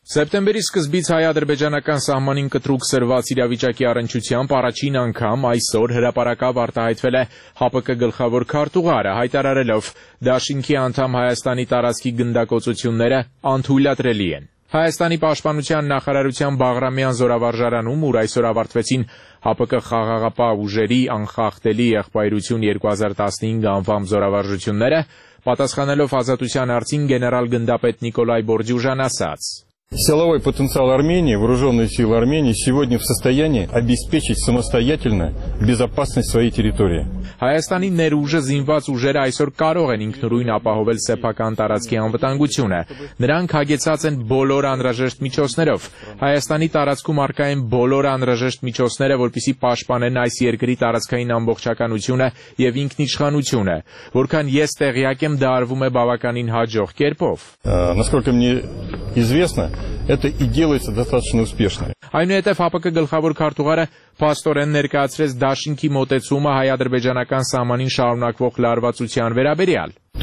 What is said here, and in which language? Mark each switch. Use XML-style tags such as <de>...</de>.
<hy>Սեպտեմբերի սկզբից հայ-ադրբեջանական սահմանին կտրուկ սրված իրավիճակի առնչությամբ առաջին անգամ այսօր հրապարակավ արտահայտվել է ՀԱՊԿ գլխավոր քարտուղարը, հայտարարելով՝ Դաշինքի անդամ Հայաստանի տարածքի գնդակոծությունները անթույլատրելի են։ Հայաստանի պաշտպանության նախարարության Բաղրամյան զորավարժարանում, ուր այսօր ավարտվեցին ՀԱՊԿ խաղաղապահ ուժերի անխախտելի եղբայրություն 2015 անվամ զորավարժությունները, պատասխանելով ազատության հարցին գեներալ գնդապետ Նիկոլայ Բորդյուժան ասաց.</hy> <ru>Силовой потенциал Армении, вооруженные силы Армении сегодня в состоянии обеспечить самостоятельно безопасность своей территории.</ru> <hy>Հայաստանի ներուժը զինված ուժերը այսօր կարող են ինքնուրույն ապահովել սեփական տարածքի անվտանգությունը։ Նրանք հագեցած են բոլոր անհրաժեշտ միջոցներով։ Հայաստանի տարածքում առկա են բոլոր անհրաժեշտ միջոցները, որպեսզի պաշտպանեն այս երկրի տարածքային ամբողջականությունը եւ ինքնիշխանությունը, որքան ես տեղյակ եմ, դա արվում է բավականին հաջող կերպով։</hy> <ru>Насколько мне известно, это и делается достаточно успешно.</ru> <hy>Այնուհետև ՀԱՊԿ գլխավոր քարտուղարը փաստորեն ներկայացրեց Դաշինքի մոտեցումը հայ-ադրբեջանական ադրբեջանական սահմանին շարունակվող լարվածության վերաբերյալ։</hy>